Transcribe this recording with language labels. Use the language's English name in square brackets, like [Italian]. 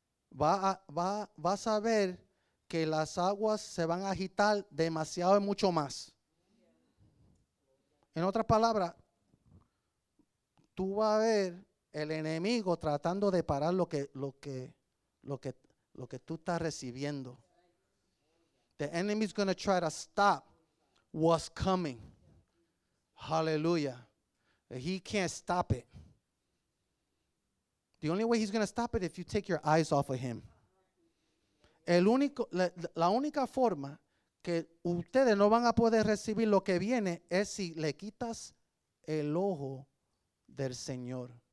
[Spanish] Vas a ver que las aguas se van a agitar demasiado y mucho más. En otras palabras, tú vas a ver el enemigo tratando de parar lo que tú estás recibiendo. [English] The enemy is going to try to stop what's coming. Hallelujah. He can't stop it. The only way he's going to stop it is if you take your eyes off of him. [Spanish] La única forma que ustedes no van a poder recibir lo que viene es si le quitas el ojo del Señor.